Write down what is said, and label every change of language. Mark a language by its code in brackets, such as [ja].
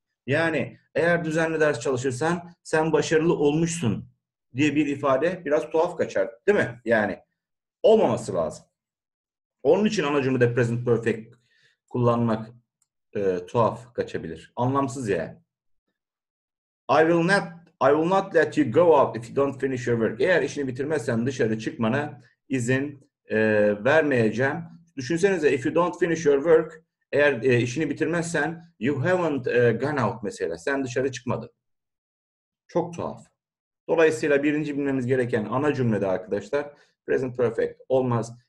[tr] Yani eğer düzenli ders çalışırsan sen başarılı olmuşsun diye bir ifade biraz tuhaf kaçar, değil mi? Yani olmaması lazım. Onun için ana cümlede present perfect kullanmak tuhaf kaçabilir. Anlamsız ya. [en] I will not let you go out if you don't finish your work. [tr] Eğer işini bitirmezsen dışarı çıkmana izin vermeyeceğim. Düşünsenize, [en] if you don't finish your work, [tr] eğer işini bitirmezsen, [en] you haven't gone out [tr] mesela. Sen dışarı çıkmadın. Çok tuhaf. Dolayısıyla birinci bilmemiz gereken ana cümlede arkadaşlar, present perfect olmaz.